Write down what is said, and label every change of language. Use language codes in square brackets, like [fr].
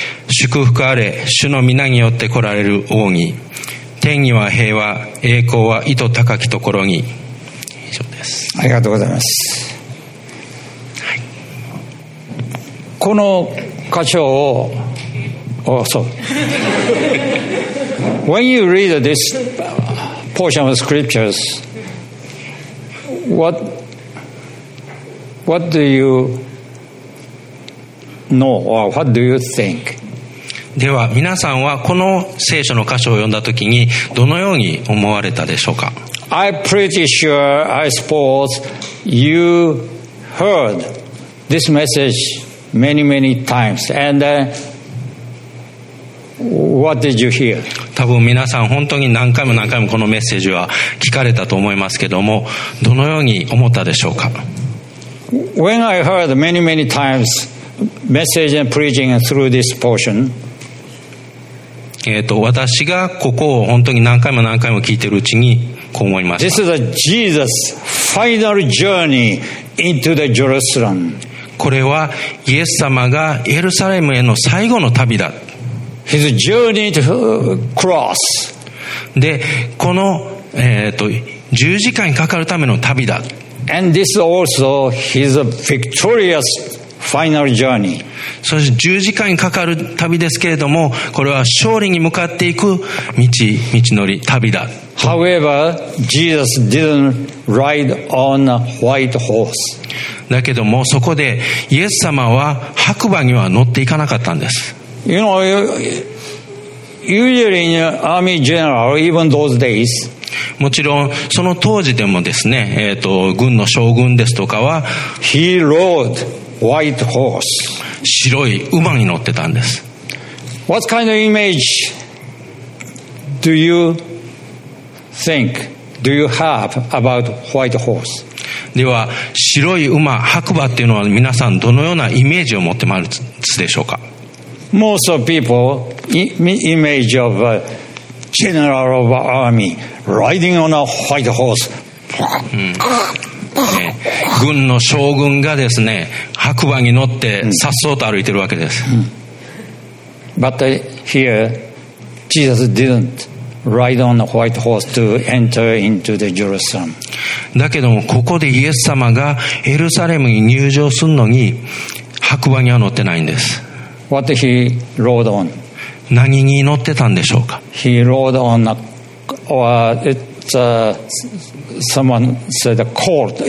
[ja] 祝福あれ、主の皆によって来られる王に。天には平和、栄光は意図高きところに。以上です。ありがとうございます、はい、この箇所を、 [en] oh, so. When you read this portion of scriptures, what do you know or what do you think? [ja] では皆さんはこの聖書の箇所を読んだときにどのように思われたでしょうか。 [en] I'm pretty sure, I suppose, you heard this message. Many times. And, what did you hear? [ja] 多分皆さん本当に何回も何回もこのメッセージは聞かれたと思いますけども、どのように思ったでしょうか。 [en] When I heard many times message and preaching through this portion, [ja] 私がここを本当に何回も何回も聞いているうちにこう思いました。 [en] This is a Jesus final journey into the Jerusalem. [ja] これはイエス様がエルサレムへの最後の旅だ。 [en] His journey to the cross. [ja] で、この、十字架にかかるための旅だ。 [en] And this also his victorious final journey. [ja] そして十字架にかかる旅ですけれども、これは勝利に向かっていく道のり旅だ。 [en] However, Jesus didn't ride on a white horse. [ja] だけどもそこでイエス様は白馬には乗っていかなかったんです。 [en] You know, usually in army general, even those days. [ja] もちろんその当時でもですね、軍の将軍ですとかは [en] He rode white horse. [ja] 白い馬に乗ってたんです。 [en] What kind of image do you think do you have about white horse? [ja] では白い馬白馬っていうのは皆さんどのようなイメージを持ってますでしょうか。 [en] Most of people image of aGeneral of army riding on a white horse.、う [ja] んね、軍の将軍がですね、白馬に乗って颯爽と歩いてるわけです。 [en] But here, Jesus didn't ride on a white horse to enter into the Jerusalem. [ja] だけどもここでイエス様がエルサレムに入場するのに白馬には乗ってないんです。 [en] What he rode on? [ja] 何に乗ってたんでしょうか。 [en] He rode on a, or it's a, someone said a colt.